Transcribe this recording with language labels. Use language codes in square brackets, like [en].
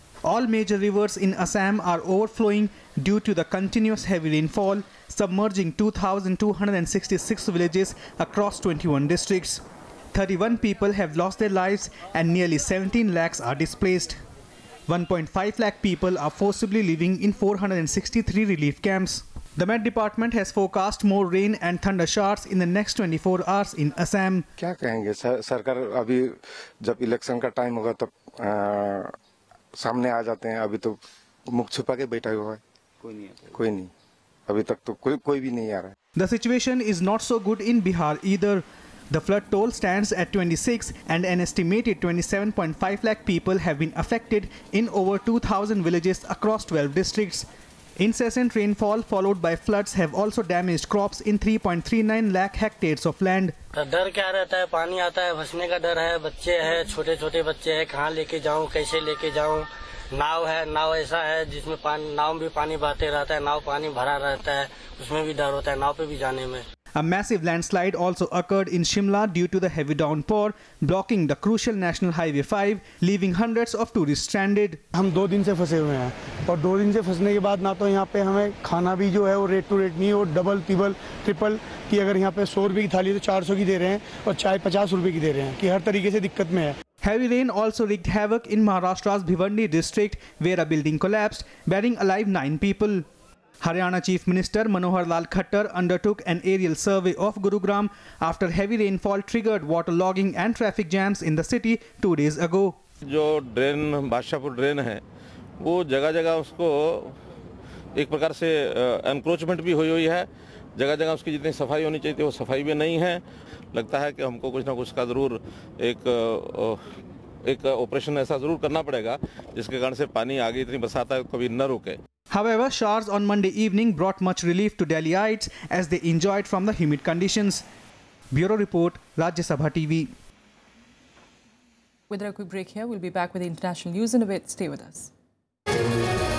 [en] All major rivers in Assam are overflowing due to the continuous heavy rainfall, submerging 2,266 villages across 21 districts. 31 people have lost their lives and nearly 17 lakhs are displaced. 1.5 lakh people are forcibly living in 463 relief camps. The Met Department has forecast more rain and thunder showers in the next 24 hours in Assam. [hi] क्या कहेंगे सरकार अभी जब election का time होगा तब सामने आ जाते हैं अभी तो मुख छुपा के बैठा हुआ है कोई नहीं अभी तक तो कोई भी नहीं आ रहा है. [en] The situation is not so good in Bihar either. The flood toll stands at 26 and an estimated 27.5 lakh people have been affected in over 2,000 villages across 12 districts. Incessant rainfall followed by floods have also damaged crops in 3.39 lakh hectares of land. [hi] डर क्या रहता है पानी आता है फंसने का डर है बच्चे हैं छोटे छोटे बच्चे हैं कहाँ लेके जाऊँ कैसे लेके जाऊँ नाव ऐसा है जिसमें पानी नाव भी पानी बहते रहता है नाव पानी भरा रहता है उसमें भी डर होता है नाव पे भी जाने में. [en] A massive landslide also occurred in Shimla due to the heavy downpour, blocking the crucial National Highway 5, leaving hundreds of tourists stranded. [hi] हम दो दिन से फंसे हुए हैं और दो दिन से फंसने के बाद ना तो यहाँ पे हमें खाना भी जो है वो रेट टू रेट नहीं वो डबल टिबल ट्रिपल कि अगर यहाँ पे 100 रुपए की थाली तो 400 की दे रहे हैं और चाय 50 रुपए की दे रहे हैं कि हर तरीके से दिक्कत में है. [en] Heavy rain also wreaked havoc in Maharashtra's Bhiwandi district, where a building collapsed, burying alive 9 people. Haryana Chief Minister Manohar Lal Khattar undertook an aerial survey of Gurugram after heavy rainfall triggered waterlogging and traffic jams in the city 2 days ago. [hi] जो drain Badshahpur drain है वो जगह जगह उसको एक प्रकार से encroachment भी हुई है जगह जगह उसकी जितनी सफाई होनी चाहिए थी वो सफाई भी नहीं है। लगता है कि हमको कुछ ना कुछ का जरूर एक ऑपरेशन ऐसा जरूर करना पड़ेगा जिसके कारण से पानी आगे इतनी बरसात है कभी न रुके। [en] However, showers on Monday evening brought much relief to Delhiites as they enjoyed from the humid conditions. Bureau report, Rajya Sabha TV. With a quick break here, we'll be back with the international news in a bit. Stay with us.